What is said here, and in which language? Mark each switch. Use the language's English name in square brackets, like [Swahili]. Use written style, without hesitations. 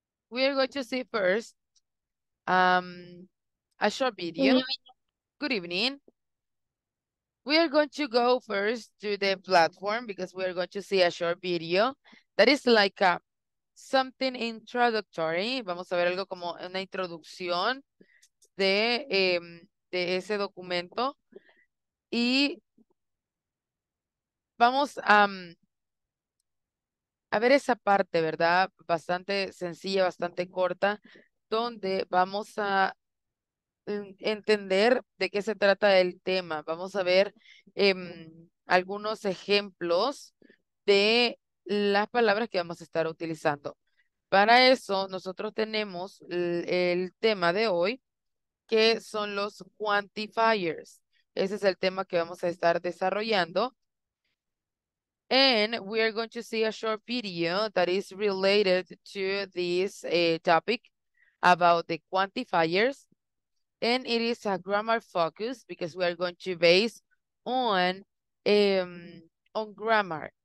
[English] we are going to see first a short video. Good evening. We are going to go first to the platform because we are going to see a short video that is like a something introductory. [Spanish] Vamos a ver algo como una introducción de ese documento. Y vamos a ver esa parte, ¿verdad? Bastante sencilla, bastante corta, donde vamos a entender de qué se trata el tema. Vamos a ver algunos ejemplos de las palabras que vamos a estar utilizando. Para eso, nosotros tenemos el tema de hoy, que son los quantifiers. Ese es el tema que vamos a estar desarrollando. [English] And we are going to see a short video that is related to this topic about the quantifiers. And it is a grammar focus because we are going to base on grammar.